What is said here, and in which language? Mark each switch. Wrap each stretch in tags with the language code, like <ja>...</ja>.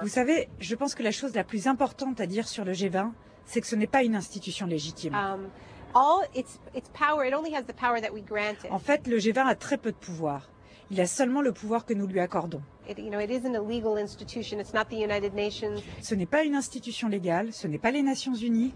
<fr>Vous savez, je pense que la chose la plus importante à dire sur le G20, c'est que ce n'est pas une institution légitime.</fr> <en>All its power, it only has the power that we grant it.</en> <fr>En fait, le G20 a très peu de pouvoir. Il a seulement le pouvoir que nous lui accordons. Ce n'est pas une institution légale, ce n'est pas les Nations Unies.</fr>